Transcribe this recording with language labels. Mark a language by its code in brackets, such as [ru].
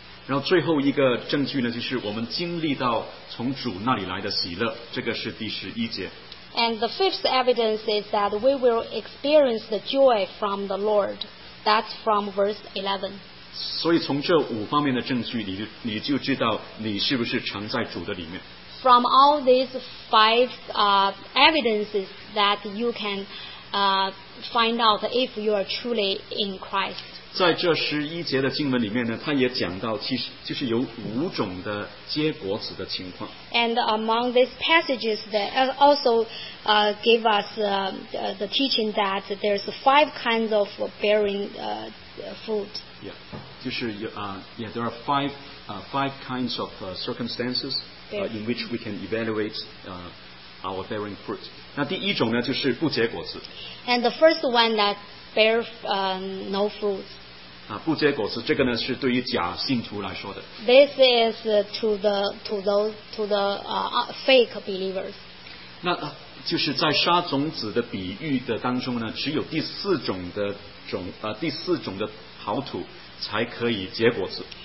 [zh] 然后最后一个证据呢，就是我们经历到从主那里来的喜乐，这个是第十一节。 [en] And the fifth evidence is that we will experience the joy from the Lord. That's from verse 11. [zh] 所以从这五方面的证据，你就知道你是不是常在主的里面。 [en] From all these five evidences that you can find out if you are truly in Christ. [zh] 在这十一节的经文里面呢，他也讲到，其实就是有五种的结果子的情况。 [en] And among these passages, that also give us the teaching that there's five kinds of bearing fruit. Yeah, 就是there are five kinds of circumstances in which we can evaluate our bearing fruit. [zh] 那第一种呢，就是不结果子。 [en] And the first one that bear no fruit. [zh] 不结果子，这个呢是对于假信徒来说的。 [en] This is to the fake believers. [zh] 那就是在撒种子的比喻的当中呢，只有第四种的第四种的好土才可以结果子。